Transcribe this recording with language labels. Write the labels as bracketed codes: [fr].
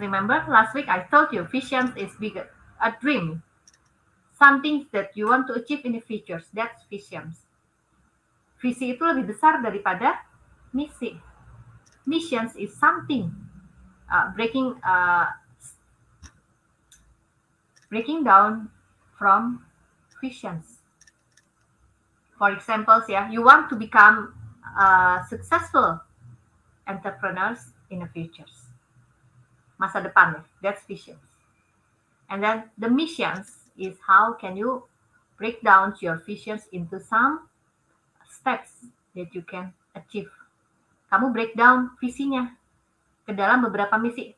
[en] Remember last week I told you visions is bigger, a dream, something that you want to achieve in the future. That's visions. [id] Visi itu lebih besar daripada misi. [en] Missions is something breaking down from visions. For examples, yeah, you want to become successful entrepreneurs in the future, [id] masa depan, [en] that's visions. And then the missions is how can you break down your visions into some steps that you can achieve. [id] Kamu [en] break down [id] visinya ke dalam beberapa misi.